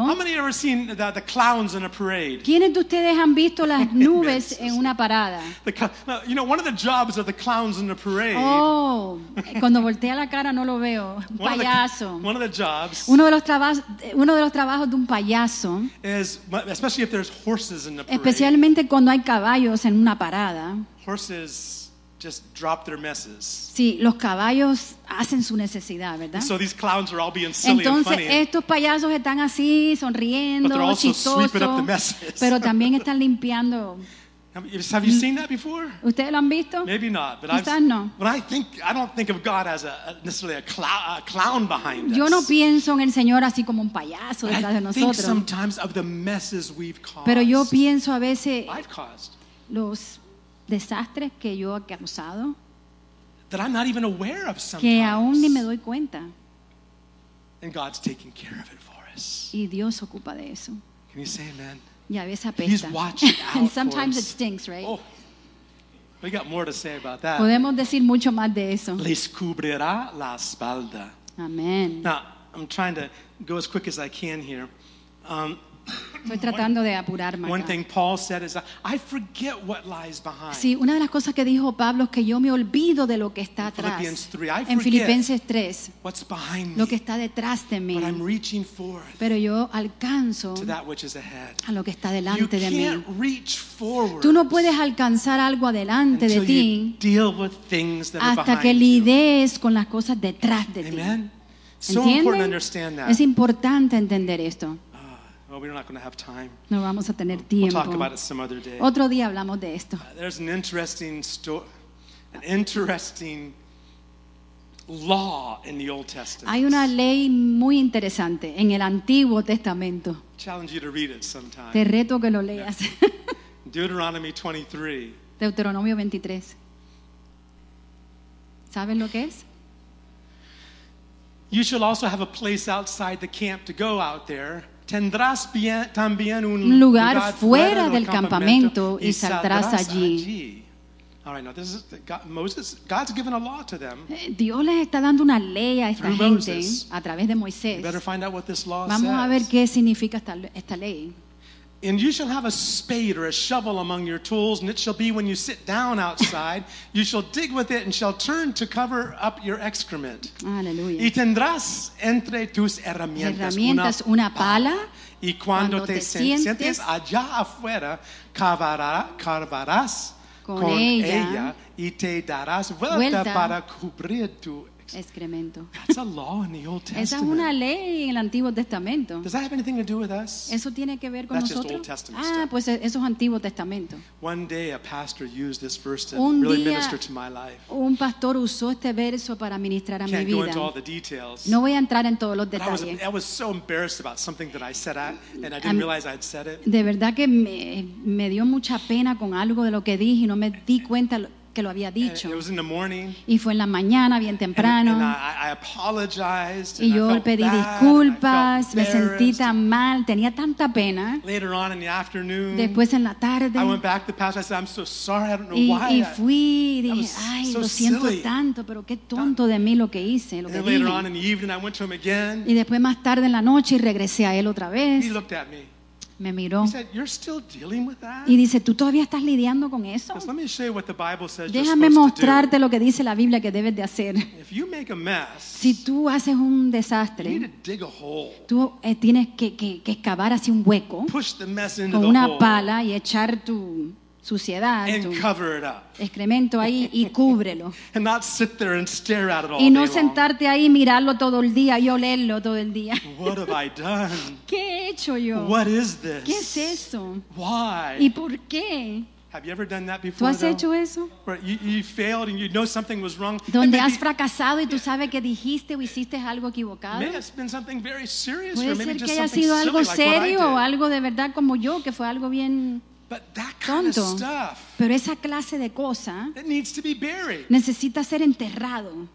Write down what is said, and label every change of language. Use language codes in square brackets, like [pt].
[en] How many have ever seen the clowns in a parade? [es] ¿Quiénes de ustedes han visto las nubes en una parada? [en] You know, one of the jobs of the clowns in the parade. [es] Oh, cuando voltea la cara no lo veo. Payaso. [en] One of the jobs. [es] Uno de los trabajos de un payaso. [en] Is especially if there's horses in the parade. [es] Especialmente cuando hay caballos en una parada. [en] Horses just drop their messes. [es] Sí, los caballos hacen su necesidad, ¿verdad? [en] And so these clowns are all being silly. [es] Entonces, [en] and funny. [es] Estos payasos están así sonriendo, [en] but they're also [es] chistoso, [en] sweeping up the messes. [es] Pero también están limpiando. [en] Have you seen that before? [es] ¿Ustedes lo han visto? [en] Maybe not, but [es] quizás [en] I've, [es] no. [en] But I think I don't think of God as necessarily a clown behind us. [es] Yo no pienso en el Señor así como un payaso detrás de nosotros. [en] I think sometimes of the messes we've caused. [es] Pero yo pienso a veces [en] I've caused. [es] Los desastres que yo he causado. [en] That I'm not even aware of sometimes. [es] Que aún ni me doy cuenta. [en] And God's taking care of it for us. [es] Y Dios ocupa de eso. [en] Can you say amen? Yeah, he's watching and sometimes it stinks, right? Oh, we got more to say about that. [es] Podemos decir mucho más de eso. Les cubrirá la espalda. [en] Amen. Now, I'm trying to go as quick as I can here. [es] Estoy tratando de apurarme. [en] One thing Paul said is I forget what lies behind. [es] Sí, una de las cosas que dijo Pablo es que yo me olvido de lo que está atrás. [en] Philippians 3, I [es] en Filipenses 3, [en] what's behind [es] lo que está detrás de mí. [en] But I'm reaching forth. [es] Pero yo alcanzo [en] to that which is ahead. [es] A lo que está delante [en] you [es] de [en] can't [es] mí. [en] Reach forward. [es] Tú no puedes alcanzar algo adelante [en] until [es] de ti [en] you deal with things that [es] hasta [en] are behind [es] que lidies [en] you. [es] Con las cosas detrás de [en] amen. [es] Ti. [en] So important to understand that. [es] Es importante entender esto. [en] Well, we're not going to have time. [es] No vamos a tener tiempo. [en] We'll talk about it some other day. [es] Otro día hablamos de esto. [en] There's an interesting story, an interesting law in the Old Testament. [es] Hay una ley muy interesante en el Antiguo Testamento. [en] I challenge you to read it sometime. [es] Te reto que lo leas. [en] Deuteronomy 23. [es] Deuteronomio 23. ¿Sabes lo que es? [en] You shall also have a place outside the camp to go out there. [es] tendrás bien, también un lugar fuera del campamento y saldrás allí. [en] All right, now this is Moses. God's given a law to them. [es] Dios les está dando una ley a esta gente a través de Moisés. [en] You better find out what this law says. [es] Vamos a ver qué significa esta ley. [en] And you shall have a spade or a shovel among your tools, and it shall be when you sit down outside, you shall dig with it and shall turn to cover up your excrement. [es] Aleluya. Y tendrás entre tus herramientas una pala. Y cuando te sientes allá afuera, cavarás con ella y te darás vuelta para cubrir tu excremento. [en] That's a law in the Old Testament. [es] Esa es una ley en el Antiguo Testamento. [en] Does that have anything to do with us? [es] Eso tiene que ver con [en] That's [es] nosotros. [en] Just Old Testament stuff. [es] Pues eso es Antiguo Testamento. [en] One day a pastor used this verse to really minister to my life. [es] Un pastor usó este verso para ministrar a [en] Can't [es] mi vida. [en] Go into all the details, [es] no voy a entrar en todos los detalles. [en] I was so embarrassed about something that I said and I didn't realize I'd said it. [es] De verdad que me dio mucha pena con algo de lo que dije y no me di cuenta que lo había dicho. [en] And it was in the morning, [es] y fue en la mañana, bien temprano. [en] And I apologized, [es] y yo pedí disculpas, me sentí tan mal, tenía tanta pena. [en] Later on in the afternoon, [es] después en la tarde, [en] I went back to the pastor, I said, I'm so sorry, I don't know [es] y, [en] why. [es] Y fui y dije, ay, [en] so [es] lo siento [en] silly. [es] Tanto, pero qué tonto de mí lo que hice, lo [en] and [es] que [en] then [es] dije. [en] Later on in the evening, I went to him again. [es] Y después más tarde en la noche y regresé a él otra vez. [en] He looked at me. [es] Me miró. [en] He said, "You're still dealing with that?" [es] Y dice, ¿tú todavía estás lidiando con eso? [en] Let me show you what the Bible says. [es] Déjame mostrarte lo que dice la Biblia que debes de hacer. [en] If you make a mess, [es] si tú haces un desastre, [en] you need to dig a hole. [es] Tú tienes que excavar así un hueco, [en] push the mess into [es] con una [en] the hole, [es] pala y echar tu suciedad, [en] and [es] tu [en] cover it up, [es] excremento ahí y cúbrelo. [en] And not sit there and stare at it all [es] y no sentarte ahí y mirarlo todo el día y olerlo todo el día. [en] What have I done? [es] ¿Qué he hecho yo? [en] What is this? [es] ¿Qué es eso? [en] Why? [es] ¿Y por qué? [en] Have you ever done that before, [es] ¿tú has [en] though? [es] Hecho eso? [en] Where you failed and you know something was wrong. [es] Donde [en] maybe, [es] has fracasado y tú sabes que dijiste o hiciste algo equivocado. [en] May it have been something very serious, [es] puede [en] or maybe [es] ser [en] just [es] que [en] something [es] haya sido algo [en] silly, [es] serio [en] like [es] o algo de verdad como yo, que fue algo bien... [en] But that kind [es] tonto, [en] of stuff, [es] pero esa clase de cosa [en] it needs to be buried. [es] Necesita ser enterrado.